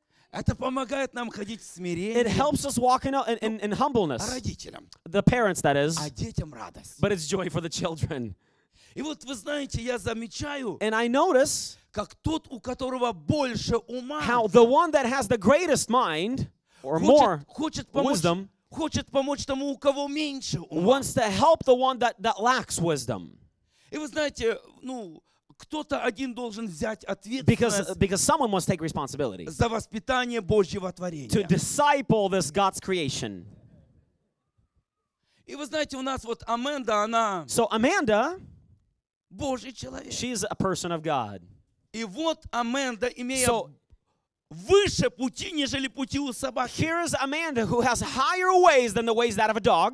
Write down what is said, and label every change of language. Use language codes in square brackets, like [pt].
[ru] Это помогает нам ходить в смирении. [en] It helps us walk in humbleness. [ru] Родителям. [en] The parents, that is. [ru] А детям радость. [en] But it's joy for the children. [ru] И вот вы знаете, я замечаю. [en] And I notice. [ru] Как тот, у которого больше ума, [en] how the one that has the greatest mind or [ru] хочет помочь тому, у кого меньше ума, [en] wants to help the one that lacks wisdom. [ru] И вы знаете, ну, Кто-то один должен взять ответственность [en] because someone must take responsibility [ru] за воспитание Божьего творения. [en] To disciple this God's creation. [ru] И вы знаете, у нас вот Аманда, она [en] So Amanda, [ru] Божий человек. [en] She is a person of God. [ru] И вот Аманда, имея выше пути, нежели пути у собаки. [en] Here is Amanda who has higher ways than the ways that of a dog.